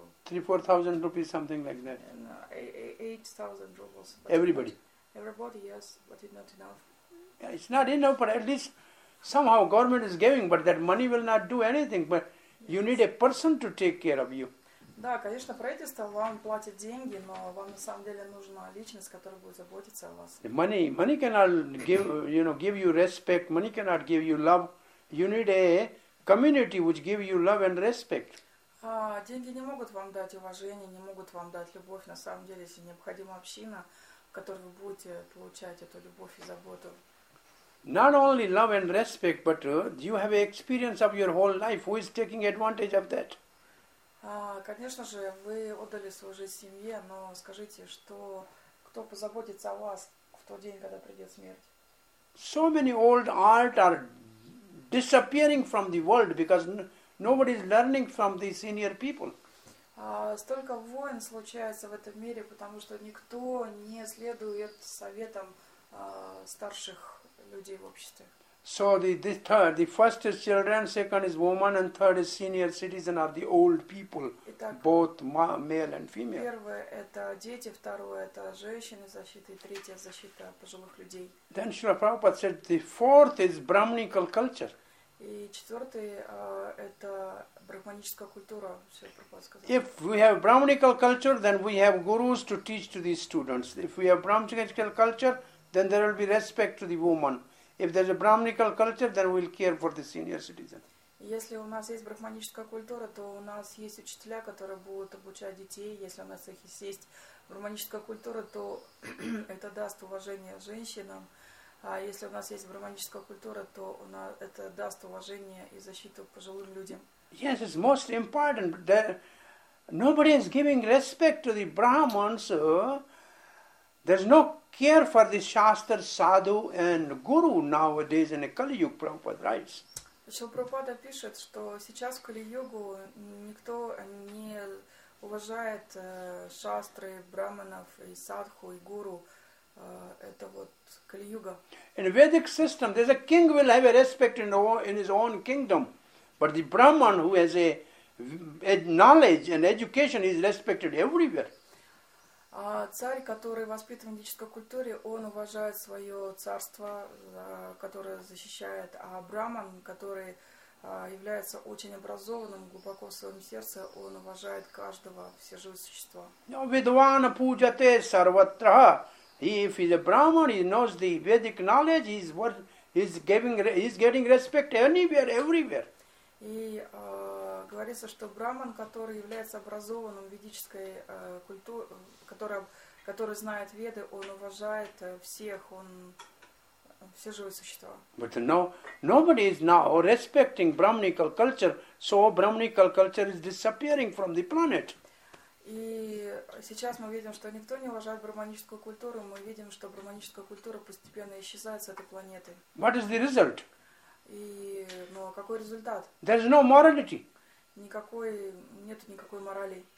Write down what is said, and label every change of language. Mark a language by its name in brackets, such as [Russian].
[English] 3-4 thousand rupees, something like that. And, 8,000 rubles. Everybody. Everybody, yes, but it's not enough. Yeah, it's not enough, but at least somehow government is giving, but that money will not do anything. But yes. You need a person to take care of you. [Russian] Да, конечно, правительство вам платит деньги, но вам на самом деле нужна личность, которая будет заботиться о вас. [English] Money cannot give you respect. Money cannot give you love. You need a community which give you love and respect. [Russian] Деньги не могут вам дать уважение, не могут вам дать любовь. На самом деле, если необходима община, в которой вы будете получать эту любовь и заботу. [English] Not only love and respect, but you have experience of your whole life. Who is taking advantage of that? [Russian] Конечно же, вы отдали свою жизнь семье, но скажите, что кто позаботится о вас в тот день, когда придет смерть? [English] So many old art are disappearing from the world because nobody is learning from the senior people. [Russian] Столько войн случается в этом мире, потому что никто не следует советам старших людей в обществе. [English] So the first is children, second is woman, and third is senior citizen or the old people, [Russian] Итак, [English] both male and female. [Russian] Первое – это дети, второе – это женщины защиты, и третье – защита пожилых людей. [English] Then Srila Prabhupada said the fourth is brahminical culture. [Russian] И четвертое – это брахманическая культура, Srila Prabhupada сказал. [English] If we have brahminical culture, then we have gurus to teach to these students. If we have brahminical culture, then there will be respect to the woman. If there's a brahminical culture, then we'll care for the senior citizen. [Russian] Если у нас есть брахманическая культура, то у нас есть учителя, которые будут обучать детей. Если у нас есть брахманическая культура, то это даст уважение женщинам. А если у нас есть брахманическая культура, то у нас это даст уважение и защиту пожилым людям. [English] Yes, it's most important. There, nobody is giving respect to the Brahmins. There's no care for the shastar, sadhu, and guru nowadays in a Kali Yuga, Prabhupada writes. [Russian] Шрила Прабхупада пишет, что сейчас в Кали-Югу никто не уважает шастры, браманов, и садху, и гуру. Это вот Кали-Юга. [English] In a Vedic system, there's a king will have a respect in his own kingdom. But the brahman who has a knowledge and education is respected everywhere. [Russian] А царь, который воспитан в ведической культуре, он уважает свое царство, которое защищает. А браман, который является очень образованным, глубоко в своем сердце он уважает каждого, все живые существа. [Sanskrit] Vidvan pujate sarvatra. [English] If he's a Brahman, he knows the Vedic knowledge, he's worth, he's getting respect anywhere, everywhere. [Russian] И говорится, что Браман, который является образованным ведической культурой, который знает Веды, он уважает всех, он все живые существа. [English] But no, nobody is now respecting Brahmanical culture, so Brahmanical culture is disappearing from the planet. [Russian] И сейчас мы видим, что никто не уважает брахманическую культуру, мы видим, что брахманическая культура постепенно исчезает с этой планеты. [English] What is the result? [Russian] И, ну, какой результат? [English] There's no morality. [Russian] Никакой, нет никакой морали.